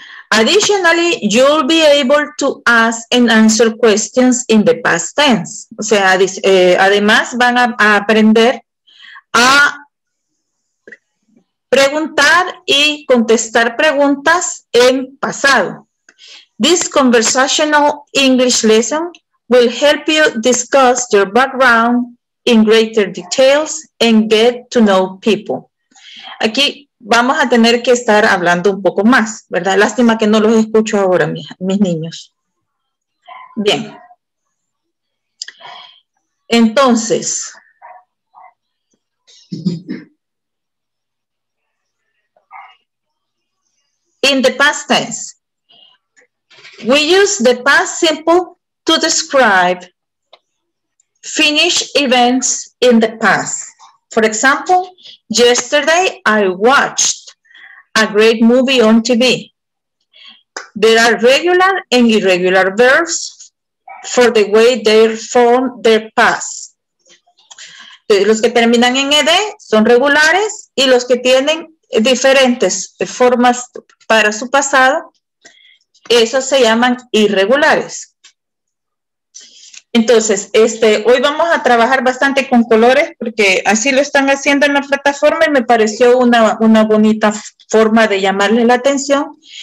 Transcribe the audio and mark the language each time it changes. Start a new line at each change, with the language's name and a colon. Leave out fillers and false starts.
English: Additionally, you'll be able to ask and answer questions in the past tense.
Spanish: O sea, además van a aprender a preguntar y contestar preguntas en pasado.
English: This conversational English lesson will help you discuss your background in greater details and get to know people.
Spanish: Aquí vamos a tener que estar hablando un poco más, ¿verdad? Lástima que no los escucho ahora, mis niños. Bien. Entonces.
English: In the past tense, we use the past simple to describe finished events in the past. For example, yesterday I watched a great movie on TV. There are regular and irregular verbs for the way they form their past.
Spanish: Los que terminan en ed son regulares y los que tienen diferentes formas para su pasado, esos se llaman irregulares. Entonces, hoy vamos a trabajar bastante con colores porque así lo están haciendo en la plataforma y me pareció una bonita forma de llamarle la atención.